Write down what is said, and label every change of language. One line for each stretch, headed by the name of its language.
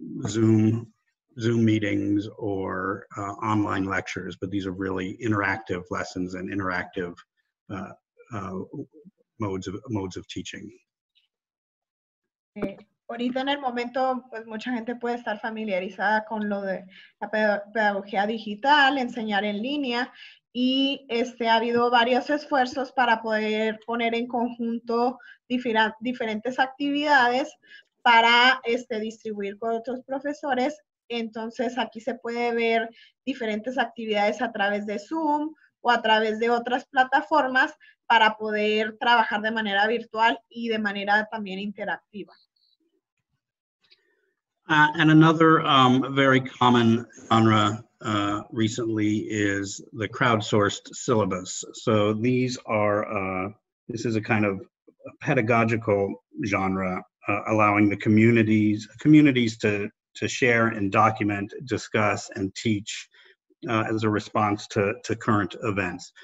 English: Zoom meetings or online lectures, but these are really interactive lessons and interactive modes of teaching.
Spanish: Ahorita en el momento, pues mucha gente puede estar familiarizada con lo de la pedagogía digital, enseñar en línea, y ha habido varios esfuerzos para poder poner en conjunto diferentes actividades para distribuir con otros profesores. Entonces aquí se puede ver diferentes actividades a través de Zoom o a través de otras plataformas para poder trabajar de manera virtual y de manera también interactiva.
English: And another very common genre recently is the crowdsourced syllabus. So this is a kind of pedagogical genre, allowing the communities to share and document, discuss and teach as a response to current events.